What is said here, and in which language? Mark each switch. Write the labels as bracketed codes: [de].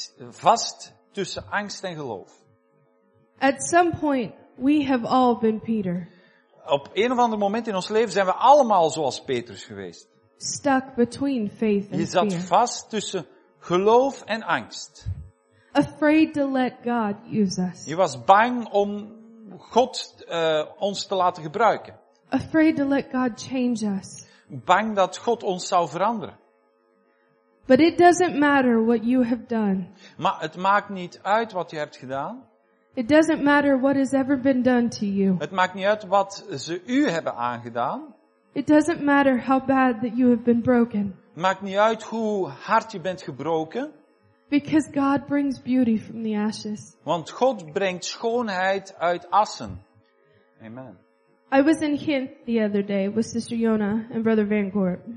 [nl] Vast tussen angst en geloof. [en] At some point, we have all been Peter. [nl] Op een of ander moment in ons leven zijn we allemaal zoals Petrus geweest. [en] Stuck between faith and fear. [nl] Je zat vast tussen geloof en angst. [en] Afraid to let God use us. [nl] Je was bang om God ons te laten gebruiken. [en] Afraid to let God change us. [nl] Bang dat God ons zou veranderen. [en] But it doesn't matter what you have done. [nl] Maar het maakt niet uit wat je hebt gedaan. [en] It doesn't matter what has ever been done to you. [nl] Het maakt niet uit wat ze u hebben aangedaan. [en] It doesn't matter how bad that you have been broken. [nl] Maakt niet uit hoe hard je bent gebroken. [en] Because God brings beauty from the ashes. [nl] Want God brengt schoonheid uit assen. Amen. [en] I was in Gent the other day with Sister Yona and Brother Van Gorp.